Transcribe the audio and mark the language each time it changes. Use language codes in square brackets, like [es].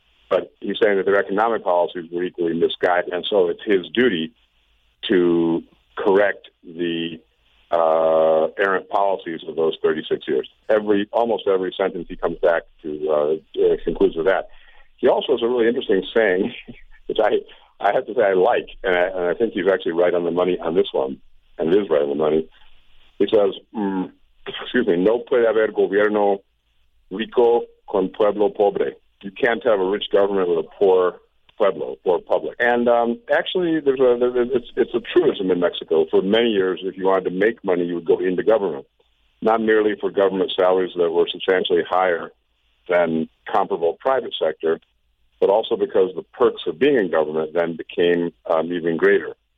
[en] But he's saying that their economic policies were equally misguided. And so it's his duty to correct the errant policies of those 36 years. Almost every sentence he comes back to concludes with that. He also has a really interesting saying, which I have to say I like, and I think he's actually right on the money on this one, and it is right on the money. He says, [es] no puede haber gobierno rico con pueblo pobre. [en] You can't have a rich government with a poor pueblo, poor public. And actually, it's a truism in Mexico. For many years, if you wanted to make money, you would go into government, not merely for government salaries that were substantially higher than comparable private sector, but also because the perks of being in government then became even greater.